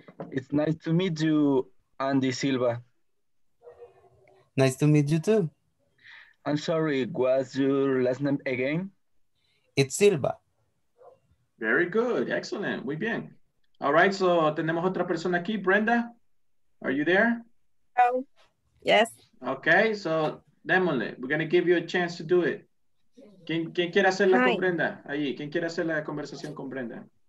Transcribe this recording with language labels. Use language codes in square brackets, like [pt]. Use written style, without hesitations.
[en] It's nice to meet you, Andy Silva. Nice to meet you too. I'm sorry, what's your last name again? It's Silva. Very good, excellent, [es] muy bien. [en] All right, so [es] tenemos otra persona aquí, Brenda. [en] Are you there? Oh, yes. Okay, so [es] démosle, [en] we're going to give you a chance to do it. [es] ¿Quién quiere hacerla con Brenda? Ahí, ¿quién quiere hacer la conversación con Brenda?